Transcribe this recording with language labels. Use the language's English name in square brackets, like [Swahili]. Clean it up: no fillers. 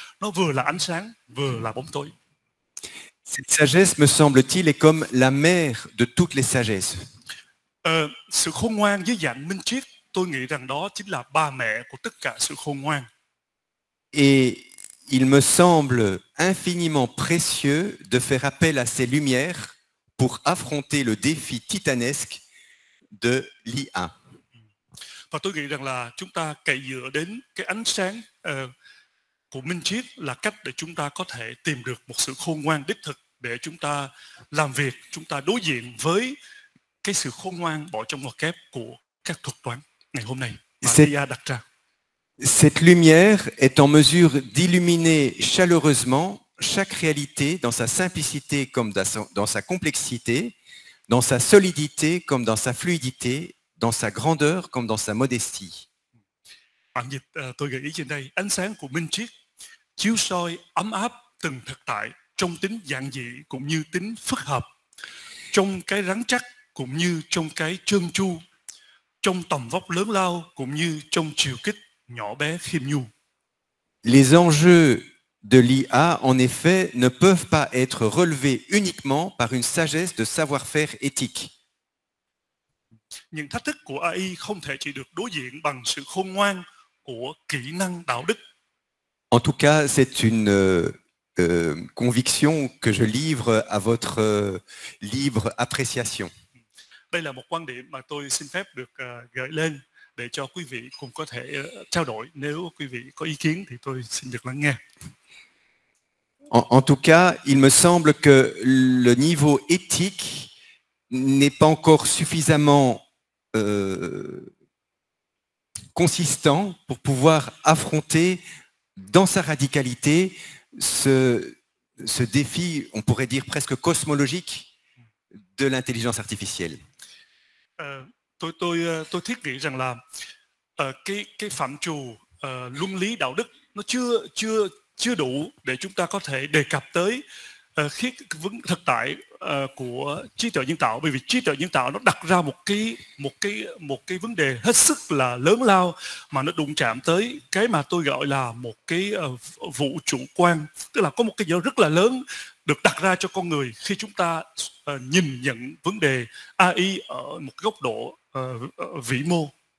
[Vietnamese] Nó vừa là ánh sáng, vừa là bóng tối. [French] Cette sagesse, me semble-t-il, est comme la mère de toutes les sagesses. [Vietnamese] Sự khôn ngoan dưới dạng minh triết, tôi nghĩ rằng đó chính là ba mẹ của tất cả sự khôn ngoan. [French] Et il me semble infiniment précieux de faire appel à ces lumières pour affronter le défi titanesque de l'IA. [Vietnamese] Và tôi nghĩ rằng là chúng ta cậy dựa đến cái ánh sáng của minh triết là cách để chúng ta có thể tìm được một sự khôn ngoan đích thực để chúng ta làm việc, chúng ta đối diện với cái sự khôn ngoan bỏ trong ngoặc kép của các thuật toán ngày hôm nay mà IA đặt ra. [French] Cette lumière est en mesure d'illuminer chaleureusement chaque réalité dans sa simplicité comme dans sa complexité. Dans sa solidité comme dans sa fluidité, dans sa grandeur comme dans sa modestie. [Vietnamese] Bản dịch tôi gợi ý trên đây, ánh sáng của minh triết chiếu soi ấm áp từng thực tại trong tính giản dị cũng như tính phức hợp, trong cái rắn chắc cũng như trong cái trơn tru, trong tầm vóc lớn lao cũng như trong chiều kích nhỏ bé khiêm nhu. [French] Les enjeux de l'IA, en effet, ne peuvent pas être relevés uniquement par une sagesse de savoir-faire éthique. [Vietnamese] Những thách thức của AI không thể chỉ được đối diện bằng sự khôn ngoan của kỹ năng đạo đức. [French] En tout cas, c'est une conviction que je livre à votre libre appréciation. [Vietnamese] Đây là một quan điểm mà tôi xin phép được gửi lên để cho quý vị cùng có thể trao đổi. Nếu quý vị có ý kiến thì tôi xin được lắng nghe. [French] En tout cas, il me semble que le niveau éthique n'est pas encore suffisamment consistant pour pouvoir affronter dans sa radicalité ce défi, on pourrait dire presque cosmologique, de l'intelligence artificielle. [Vietnamese] Tôi thiết nghĩ rằng là cái phạm trù luân lý đạo đức nó chưa đủ để chúng ta có thể đề cập tới thực tại của trí tuệ nhân tạo, bởi vì trí tuệ nhân tạo nó đặt ra một cái vấn đề hết sức là lớn lao mà nó đụng chạm tới cái mà tôi gọi là một cái vũ trụ quan, tức là có một cái dấu rất là lớn được đặt ra cho con người khi chúng ta nhìn nhận vấn đề AI ở một góc độ vĩ mô.